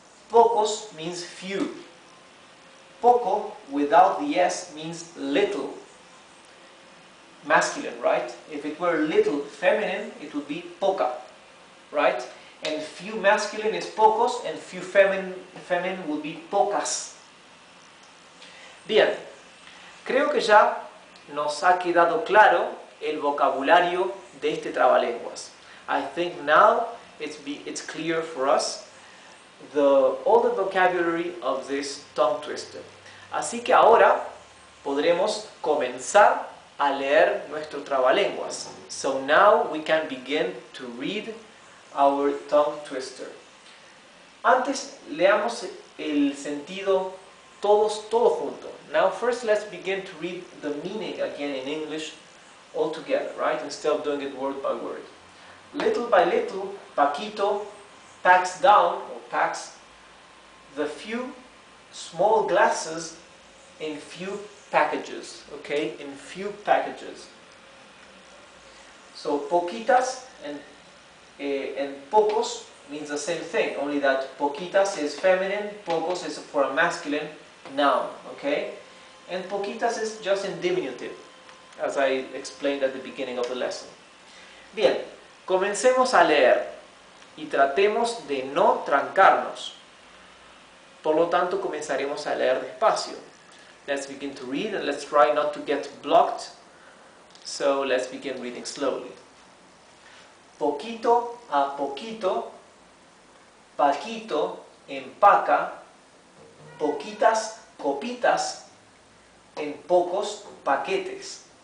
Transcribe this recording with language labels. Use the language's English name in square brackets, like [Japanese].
[English] Pocos means few. Poco without the S means little. Masculine, right? If it were little feminine, it would be poca, right? And few masculine is pocos, and few feminine would be pocas. [Spanish] Bien, creo que ya nos ha quedado claro el vocabulario de este trabalenguas. [English] I think now it's clear for us all the vocabulary of this tongue twister. [Spanish] Así que ahora podremos comenzar a leer nuestro trabalenguas. [English] So now we can begin to read our tongue twister. [Spanish] Antes leamos el sentido todo junto. [English] Now first let's begin to read the meaning again in English all together, right? Instead of doing it word by word. Little by little, Paquito packs down or packs the few small glasses in few packages, okay? In few packages. So poquitas and pocos means the same thing, only that poquitas is feminine, pocos is for a masculine noun, okay? And poquitas is just in diminutive, as I explained at the beginning of the lesson. [Spanish] Bien, comencemos a leer y tratemos de no trancarnos. Por lo tanto, comenzaremos a leer despacio. [English] Let's begin to read and let's try not to get blocked. So let's begin reading slowly. [Spanish] Poquito a poquito, Paquito empaca, poquitas copitas en pocos paquetes.